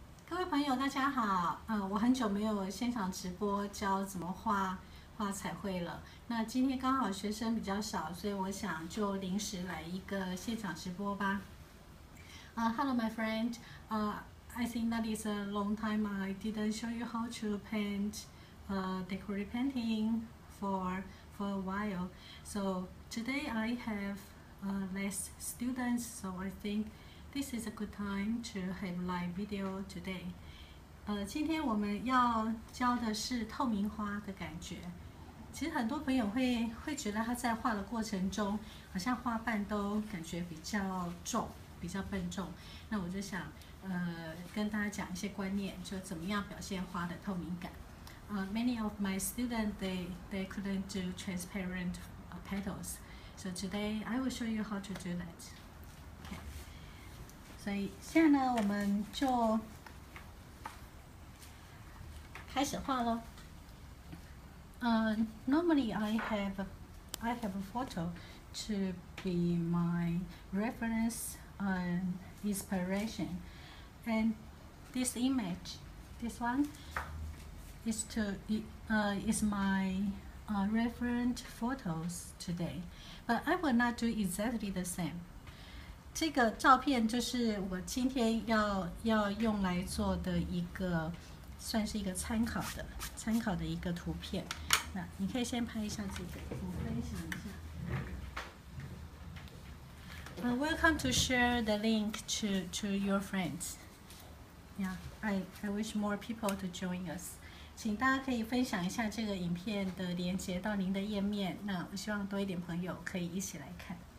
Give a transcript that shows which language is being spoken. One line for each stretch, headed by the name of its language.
Chinese: 位朋友大家好，我很久没有现场直播教怎么画彩绘了。那今天刚好学生比较少，所以我想就临时来一个现场直播吧。
English: Hello my friend, I think that is a long time I didn't show you how to paint decorative painting for a while. So today I have less students, so I thinkThis is a good time to have live video today.
Chinese: 今天我们要教的是透明花的感觉。其实很多朋友 会觉得他在画的过程中好像花瓣都感觉比较重，比较笨重。那我就想跟大家讲一些观念，就怎么样表现花的透明感。
English: Many of my students, they couldn't do transparent petals. So today, I will show you how to do that.
Chinese: 所以现在呢，我们就开始画咯。
English: Normally I have a photo to be my reference and inspiration. And this image, this one, is my reference photos today. But I will not do exactly the same.
Chinese: 这个照片就是我今天 要用来做的一个，算是一个参考的一个图片。那你可以先拍一下这个，我分享一下。
English: Welcome to share the link to your friends. Yeah, I wish more people to join us.
Chinese: 请大家可以分享一下这个影片的连结到您的页面，那我希望多一点朋友可以一起来看。